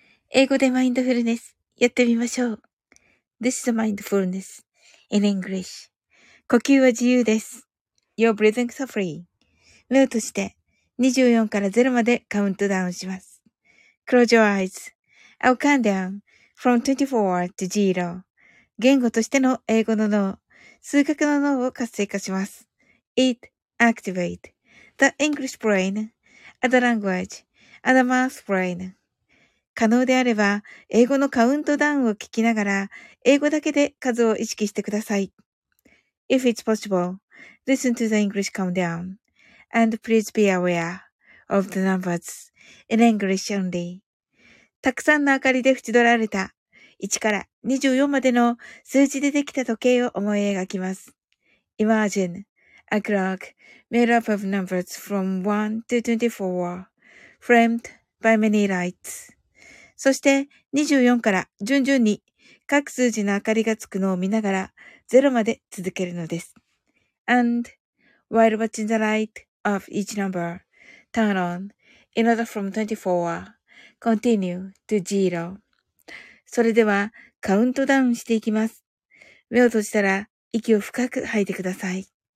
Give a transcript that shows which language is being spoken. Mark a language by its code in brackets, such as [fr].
[ja] 英語でマインドフルネスやってみましょう。 [en] This is mindfulness in English. [ja] 呼吸は自由です。 [en] Your breathing is free. [ja] 目を閉じて24から0までカウントダウンします。 [en] Close your eyes.I'll count down from 24 to 0. [ja] 言語としての英語の脳、数学の脳を活性化します。 [en] It activate the English brain. Other language, other math brain. [ja] 可能であれば、英語のカウントダウンを聞きながら、英語だけで数を意識してください。 [en] If it's possible, listen to the English countdown. And please be aware of the numbers in English only. [ja] たくさんの明かりで縁取られた、1から24までの数字でできた時計を思い描きます。 [en] Imagine. A clock made up of numbers from 1 to 24, framed by many lights. [ja] そして24から順々に各数字の明かりがつくのを見ながら0まで続けるのです。 [en] And while watching the light of each number turn on in order from 24, continue to 0. [ja] それではカウントダウンしていきます。目を閉じたら息を深く吐いてください。